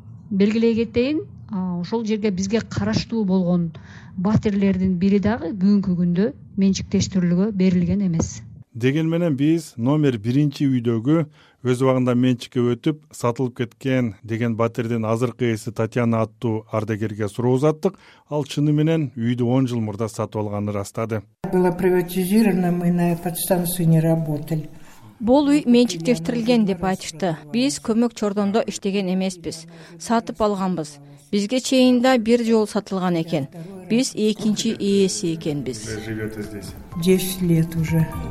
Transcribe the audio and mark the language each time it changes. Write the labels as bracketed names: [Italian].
[Kyrgyz] Белгилей кетейин, ошол жерге бизге караштуу болгон батирлердин бири дагы бүгүнкү күндө менчиктештирүүлүгө берилген эмес. Деген менен биз номер 1-ci үйдөгү өз убагында менчикке өтүп сатылып кеткен деген батирдин азыркы ээси Татьяна аттуу ардагерге суроо узаттык. Ал чыны менен үйдү 10 жыл мурда сатып алганын ырастады. [Russian] Было приватизировано, мы на подстанции не работали. [Kyrgyz] Бул үй менчиктештирилген деп айтышты. Биз көмөк чордондо иштеген эмеспиз. Сатып алганбыз. Бизге чейин да бир жол сатылган экен. Биз экинчи ээси экенбиз. [Russian] 10 лет уже.